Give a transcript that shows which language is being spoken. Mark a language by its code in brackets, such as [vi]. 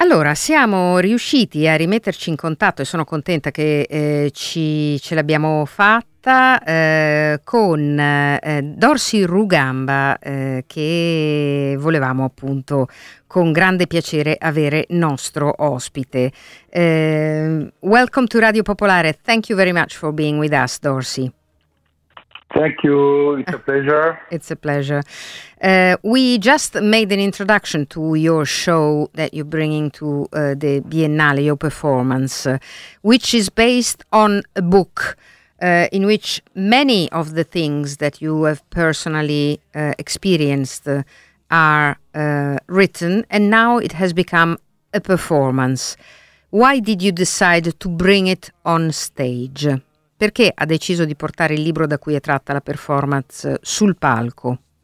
[it] Siamo riusciti a rimetterci in contatto e sono contenta che ce l'abbiamo fatta con Dorsi Rugamba, che volevamo appunto con grande piacere avere nostro ospite. [en] Welcome to Radio Popolare. Thank you very much for being with us, Dorsi. Thank you. It's a pleasure. It's a pleasure. We just made an introduction to your show that you're bringing to the Biennale, your performance, which is based on a book in which many of the things that you have personally experienced are written, and now it has become a performance. Why did you decide to bring it on stage? [it] Perché ha deciso di portare il libro da cui è tratta la performance sul palco?